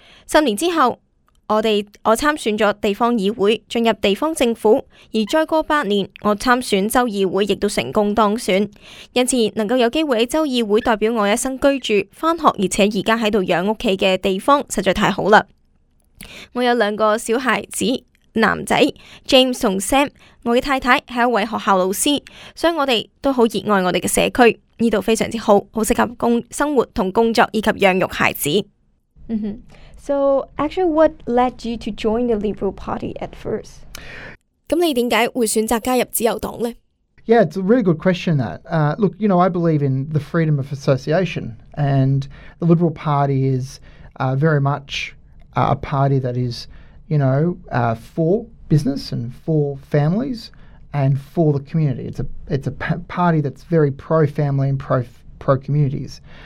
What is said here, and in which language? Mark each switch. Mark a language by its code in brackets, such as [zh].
[zh] 10年之后，我参选了地方议会，进入地方政府，而再过8年，我参选州议会亦都成功当选，因此能够有机会在州议会代表我一生居住、翻学，而且现在在养家的地方实在太好了。我有两个小孩子，男仔 James 和 Sam， 我的太太是一位学校老师，所以我们都很热爱我们的社区，这里非常好，很适合生活和工作以及养育孩子。 Mm-hmm. [en] So actually what led you to join the Liberal Party at first? [zh] 那你为什么会选择加入自由党呢？ [en] Yeah, it's a really good question that. Look, you know, I believe in the freedom of association, and the Liberal Party is very much a party that is, you know, for business and for families and for the community. It's a party that's very pro-family and pro-communities.